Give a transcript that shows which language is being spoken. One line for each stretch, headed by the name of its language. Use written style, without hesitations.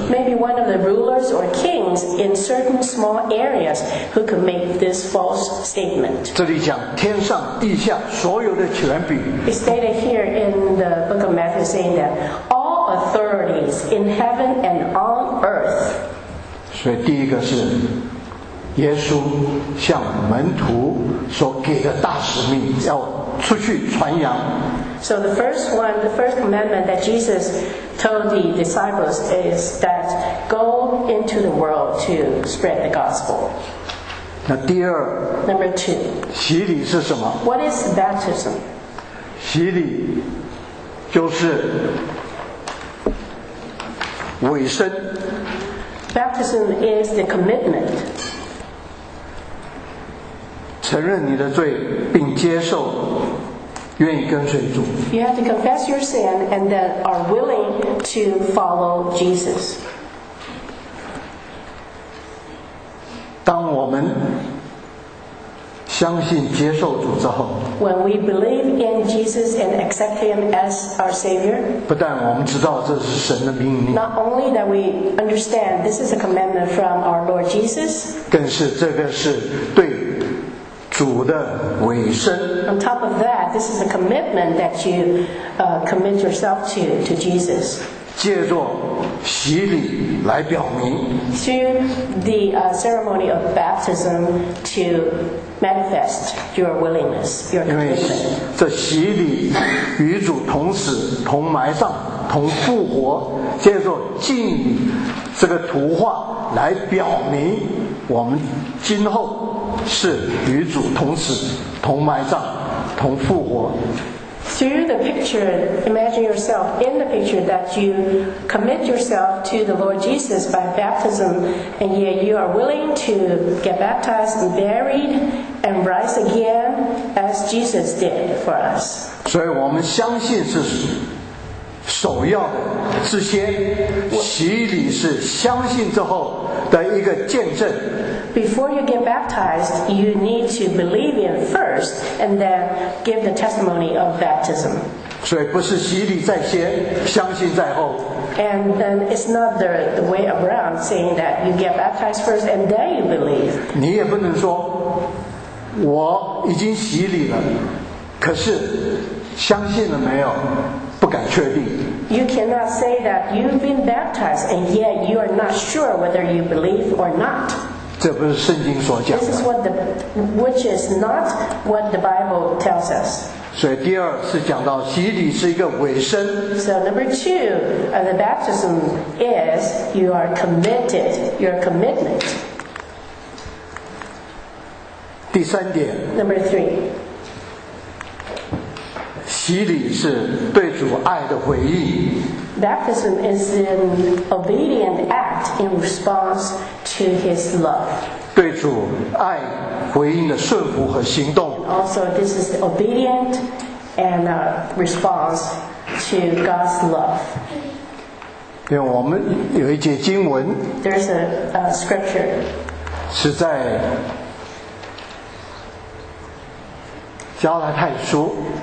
English: Maybe one of the rulers or kings in certain small areas who could make this false statement.
Chinese: 这里讲天上地下所有的权柄。
English: It stated here in the book of Matthew saying that all authorities in heaven and on earth.
Chinese: 所以第一个是耶稣向门徒所给的大使命，要出去传扬。
English: So the first one, the first commandment that Jesus told the disciples is that go into the world to spread the gospel.
Chinese: 那第二
English: Number two,
Chinese: 洗礼是什么？
English: What is baptism?
Chinese: 洗礼就是委身。
English: Baptism is the commitment.
Chinese: 承认你的罪并接受，愿意跟随主。
English: You have to confess your sin and then are willing to follow Jesus.
Chinese: 当我们相信接受主之后，
English: When we believe in Jesus and accept him as our Savior,
Chinese: 不但我们知道这是神的命令，
English: Not only that we understand this is a commandment from our Lord Jesus,
Chinese: 更是这个是对主的委身。
English: On top of that, this is a commitment that you commit yourself to Jesus.
Chinese: 借助洗礼来表明。
English: Through the ceremony of baptism to manifest your willingness, your commitment.
Chinese: 因为这洗礼与主同死、同埋葬、同复活，借助敬礼这个图画来表明我们今后是与主同死、同埋葬、同复活。
English: Through the picture, imagine yourself in the picture that you commit yourself to the Lord Jesus by baptism, and yet you are willing to get baptized and buried and rise again as Jesus did for us.
Chinese: 所以我们相信是首要的，是先洗礼是相信之后的一个见证。
English: Before you get baptized, you need to believe in first and then give the testimony of baptism.
Chinese: 所以不是洗礼在先，相信在后。
English: And then it's not the way around saying that you get baptized first and then you believe.
Chinese: 你也不能说我已经洗礼了，可是相信了没有，不敢确定。
English: You cannot say that you've been baptized and yet you are not sure whether you believe or not.
Chinese: 这不是圣经所讲的。
English: This is what the, which is not what the Bible tells us.
Chinese: 所以第二是讲到洗礼是一个委身。
English: So number two, the baptism is you are committed, your commitment.
Chinese: 第三点。
English: Number three.
Chinese: 洗礼是对主爱的回应。
English: Baptism is an obedient act in response to His love.
Chinese: 对主爱回应的顺服和行动。
English: Also, this is the obedient and response to God's love.
Chinese: 因为我们有一节经文。
English: There's a scripture.
Chinese: 是在加拉太书。